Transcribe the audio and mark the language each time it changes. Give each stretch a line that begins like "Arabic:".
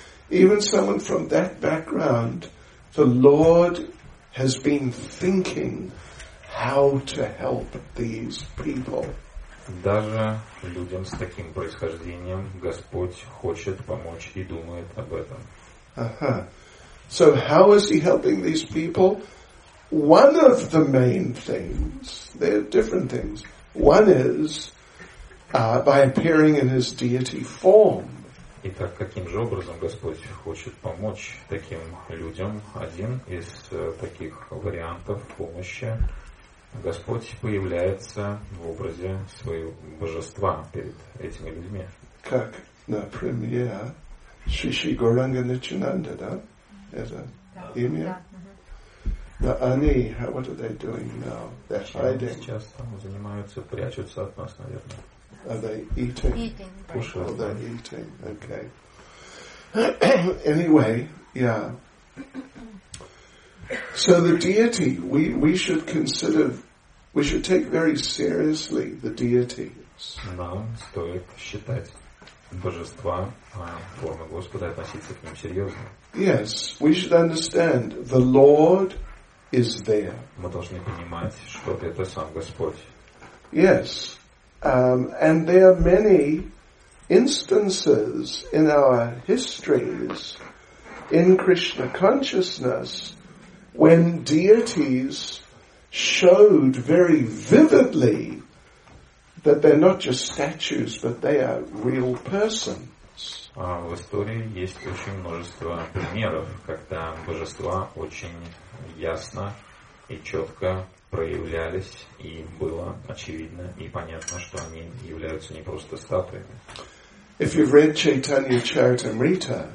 English: Even someone from that background, the Lord has been thinking how to help these people.
Russian: Даже людям с таким происхождением Господь хочет помочь и думает об этом.
English: So how is he helping these people? One of the main things, there are different things. One is by appearing in his deity form.
Russian: Итак, каким же образом Господь хочет помочь таким людям? Один из таких вариантов помощи. Господь появляется в образе своего божества перед этими людьми. Как, например, Шиши Гуранга Нитьянанда, да? Это имя? Да, они,
English: what are they doing now? They're hiding.
Russian: Сейчас там занимаются, прячутся от нас, наверное.
English: Are they eating? Eating. Are they eating? Okay. Anyway, yeah. So the deity, we should consider, we should take very seriously the deities.
Russian: Нам стоит считать божества, формы Господа, относиться к ним серьезно.
English: Yes, we should understand the Lord is there.
Russian: Мы должны понимать, что это сам Господь.
English: Yes, and there are many instances in our histories in Krishna consciousness when deities showed very vividly that they're not just statues, but they are real persons.
Russian: В истории есть очень множество примеров, когда божества очень ясно и четко проявлялись, и было очевидно и понятно, что они являются не просто статуями.
English: If you've read Chaitanya Charitamrita,